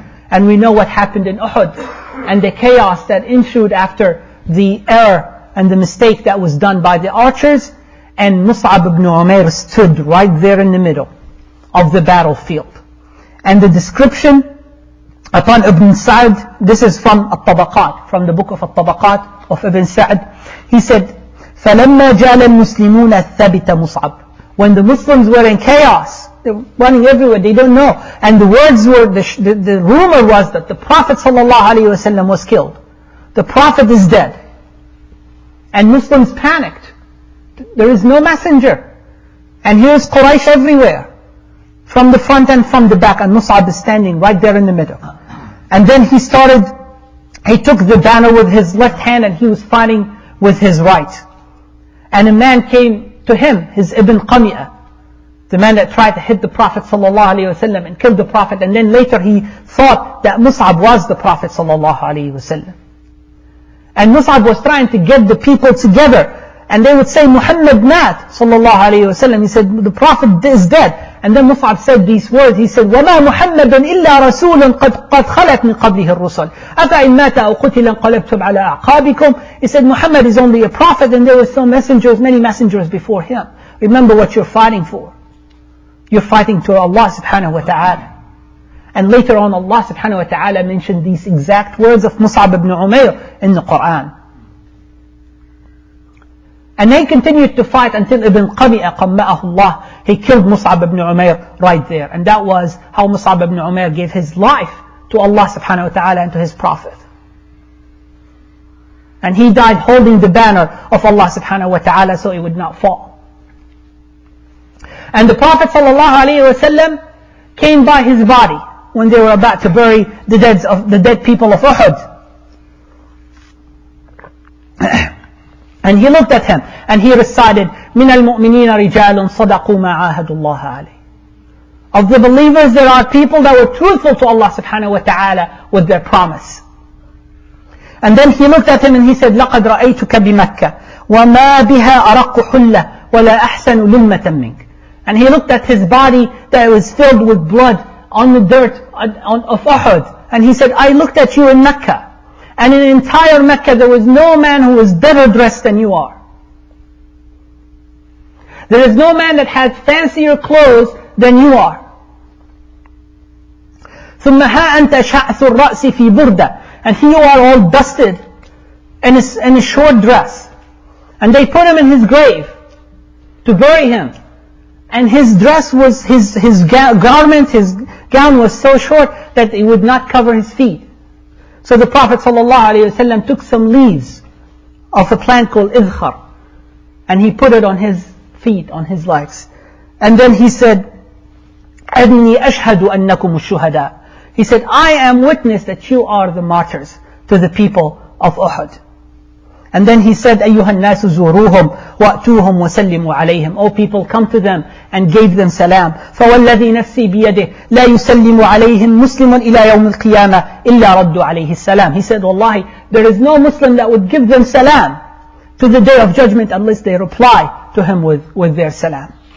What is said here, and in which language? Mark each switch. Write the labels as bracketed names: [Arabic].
[English] And we know what happened in Uhud. And the chaos that ensued after the error and the mistake that was done by the archers. And Mus'ab ibn Umayr stood right there in the middle of the battlefield. And the description upon Ibn Sa'd, this is from At-Tabaqat, from the book of At-Tabaqat of Ibn Sa'd. He said, [Arabic] فَلَمَّا جَالَ الْمُسْلِمُونَ الثَّبِتَ مُصْعَبْ. [English] When the Muslims were in chaos, they were running everywhere, they don't know. And the words were, the rumor was that the Prophet ﷺ was killed. The Prophet is dead. And Muslims panicked. There is no messenger. And here is Quraysh everywhere. From the front and from the back, and Mus'ab is standing right there in the middle. And then he started, he took the banner with his left hand and he was fighting with his right. And a man came to him, his Ibn Qamia, the man that tried to hit the Prophet sallallahu alayhi wasallam and killed the Prophet. And then later he thought that Mus'ab was the Prophet sallallahu alayhi wasallam. And Mus'ab was trying to get the people together. And they would say, Muhammad mat sallallahu alayhi wasallam. He said, the Prophet is dead. And then Mus'ab said these words. He said, [Arabic] وَمَا مُحَمَّدٌ إِلَّا رَسُولٌ قَدْ خَلَتْ مِنْ قَبْلِهِ الرُّسُلِ أَفَإِنْ مَاتَ أَوْ قُتِلًا قَلَبْتُمْ عَلَىٰ أَعْقَابِكُمْ. [English] He said, Muhammad is only a prophet and there were some messengers, many messengers before him. Remember what you're fighting for. You're fighting to Allah subhanahu wa ta'ala. And later on Allah subhanahu wa ta'ala mentioned these exact words of Mus'ab ibn Umayr in the Qur'an. And they continued to fight until Ibn Qami'a qamma'ahu Allah. He killed Mus'ab ibn Umayr right there. And that was how Mus'ab ibn Umayr gave his life to Allah subhanahu wa ta'ala and to his Prophet. And he died holding the banner of Allah subhanahu wa ta'ala so it would not fall. And the Prophet sallallahu alayhi wa sallam came by his body when they were about to bury the dead people of Uhud. And he looked at him and he recited, [Arabic] مِنَ الْمُؤْمِنِينَ رِجَالٌ صَدَقُوا مَا عَاهَدُ اللَّهَ عَلَيْهِ. [English] Of the believers, there are people that were truthful to Allah subhanahu wa ta'ala with their promise. And then he looked at him and he said, [Arabic] لَقَدْ رَأَيْتُكَ بِمَكَّةِ وَمَا بِهَا أَرَقُّ حُلَّةِ وَلَا أَحْسَنُ لُمَّةً مِنْكَ. [English] And he looked at his body that it was filled with blood on the dirt of Uhud. And he said, I looked at you in Mecca. And in entire Mecca, there was no man who was better dressed than you are. There is no man that had fancier clothes than you are. [Arabic] ثُمَّ هَا أَنْتَ شَعْثُ الرَّأْسِ فِي بُرْدَةٍ. [English] And here you are all dusted in a short dress. And they put him in his grave to bury him. And his dress was, his gown was so short that it would not cover his feet. So the Prophet ﷺ took some leaves of a plant called idkhar and he put it on his feet, on his legs. And then he said, [Arabic] أَذْنِي أَشْهَدُ أَنَّكُمُ الشُّهَدَىٰ. [English] He said, I am witness that you are the martyrs to the people of Uhud. And then he said, [Arabic] أَيُّهَا النَّاسُ زُورُوهُمْ وَأْتُوهُمْ وَسَلِّمُوا عَلَيْهِمْ. [English] O people, come to them and gave them salam. [Arabic] فَوَالَّذِي نَفْسِي بِيَدِهِ لَا يُسَلِّمُ عَلَيْهِمْ مُسْلِمٌ إِلَى يَوْمِ الْقِيَامَةِ إِلَّا رَدُّوا عَلَيْهِ السَّلَامِ. [English] He said, wallahi, there is no Muslim that would give them salam to the day of judgment unless they reply to him with their salam.